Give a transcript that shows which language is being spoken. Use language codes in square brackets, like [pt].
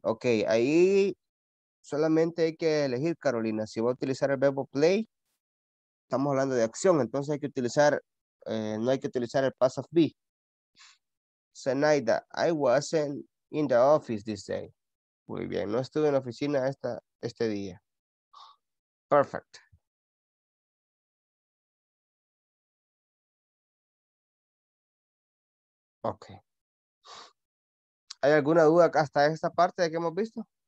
[es] Ok, ahí solamente hay que elegir, Carolina. Si va a utilizar el verbo play, estamos hablando de acción. Entonces hay que utilizar no hay que utilizar el past of be. [en] Zenaida, I wasn't in the office this day. [es] Muy bien, no estuve en la oficina este día. Perfect. Ok. ¿Hay alguna duda hasta esta parte de que hemos visto?